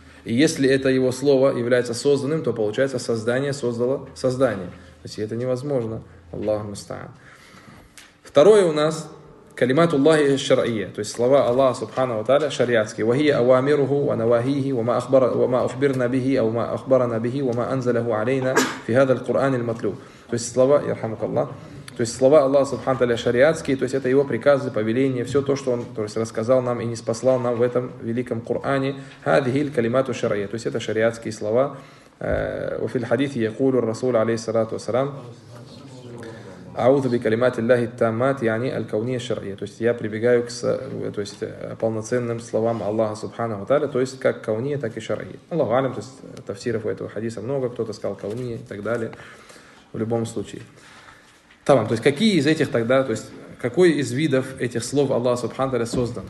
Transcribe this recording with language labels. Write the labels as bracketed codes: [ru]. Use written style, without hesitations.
[ru] И если это его слово является созданным, то, получается, создание создало создание. То есть, это невозможно. [ar] Аллаху мустаан. [ru] Второе у нас... [ar] كلمات الله الشرعية، [ru] то есть слова Аллаха سبحانه وتعالى شرعياتские. [ar] وهي أوامره ونواهيه وما أخبر وما أخبرنا به أو ما أخبرنا به وما أنزله علينا في هذا القرآن المطلوب. [ru] то есть слова [ar] يرحمك الله. [ru] то есть слова Аллаха سبحانه وتعالى شرعياتские. то есть это его приказы, повеления, все то, что он, то есть рассказал нам и ниспослал нам в этом великом Коране. [ar] هذه الكلمات الشرعية. [ru] то есть это شرعياتские слова. [ar] وفي الحديث يقول الرسول عليه الصلاة والسلام أعوذ بكلمات الله التامات يعني الكونية الشرعية. [ru] то есть я прибегаю к, то есть полноценным словам Аллаха Субханаху Тааля, то есть как кауния, так и шарии. [ar] Аллаху алям, [ru] то есть тафсиров у этого хадиса много, кто-то сказал кауния и так далее. В любом случае. Тамам, то есть какие из этих тогда, то есть какой из видов этих слов Аллаха Субханаху Тааля создан?